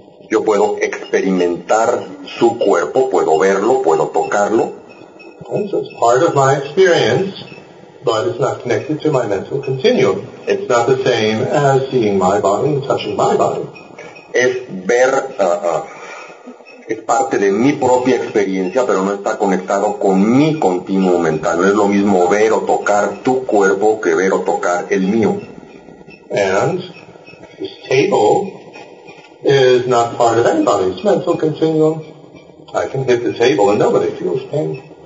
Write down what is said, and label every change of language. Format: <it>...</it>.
<es>Yo puedo experimentar su cuerpo, puedo verlo, puedo tocarlo.</es> <en>So it's part of my experience. But it's not connected to my mental continuum. It's not the same as seeing my body and touching my body.</en> <es>Es ver, es parte de mi propia experiencia, pero no está conectado con mi continuum mental. No es lo mismo ver o tocar tu cuerpo que ver o tocar el mío.</es> <en>And this table is not part of anybody's mental continuum. I can hit the table and nobody feels pain.</en>